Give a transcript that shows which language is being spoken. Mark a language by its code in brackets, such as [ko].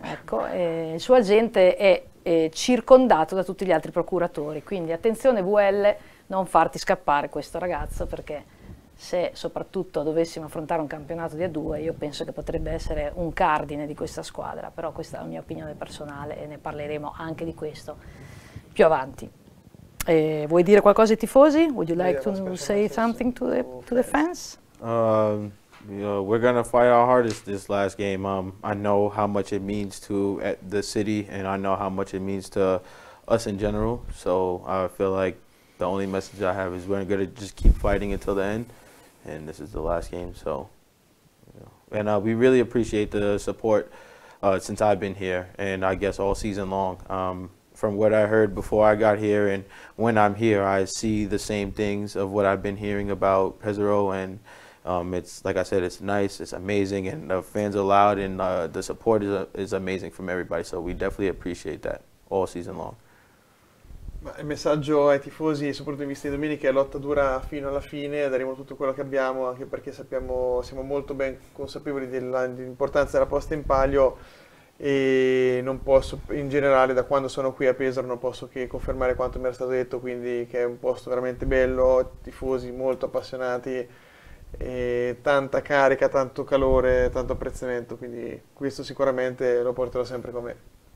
[it] Ecco, il suo agente è circondato da tutti gli altri procuratori, quindi attenzione VL, non farti scappare questo ragazzo, perché se soprattutto dovessimo affrontare un campionato di A2, io penso che potrebbe essere un cardine di questa squadra, però questa è la mia opinione personale e ne parleremo anche di questo più avanti. Vuoi dire qualcosa ai tifosi? [en] Would you like to say something to the fans? We're going to fight our hardest this last game. I know how much it means to the city and I know how much it means to us in general, so I feel like the only message I have is we're going to just keep fighting until the end, and this is the last game, so. And we really appreciate the support since I've been here, and I guess all season long. From what I heard before I got here and when I'm here, I see the same things of what I've been hearing about Pesaro, and it's, like I said, it's nice, it's amazing, and the fans are loud, and the support is amazing from everybody, so we definitely appreciate that all season long. [it] Il messaggio ai tifosi, soprattutto in vista di domenica, è lotta dura fino alla fine, daremo tutto quello che abbiamo, anche perché sappiamo, siamo molto ben consapevoli dell'importanza della posta in palio, e non posso, in generale, da quando sono qui a Pesaro non posso che confermare quanto mi era stato detto, quindi che è un posto veramente bello, tifosi molto appassionati, e tanta carica, tanto calore, tanto apprezzamento, quindi questo sicuramente lo porterò sempre con me.